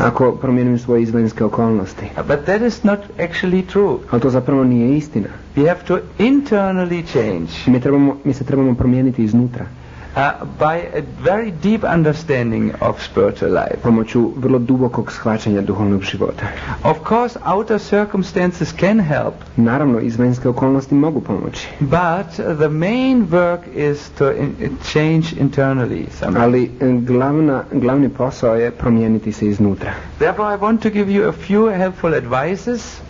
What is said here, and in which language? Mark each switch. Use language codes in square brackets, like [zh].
[hr] Ako promijenim svoje izvanjske okolnosti. [en] But that is not actually true. [hr] Ali to zapravo nije istina. [en] We have to internally change. [hr] Mi se trebamo promijeniti iznutra. [en] By a very deep understanding of spiritual life. [hr] Pomoću vrlo dubokog shvaćanja duhovnog života. [en] Of course, outer circumstances can help. [hr] Naravno, izvanjske okolnosti mogu pomoći. [en] But the main work is to change internally. Somehow. [hr] Ali glavni posao je promijeniti se iznutra. [en] Therefore, I want to give you a few helpful advices.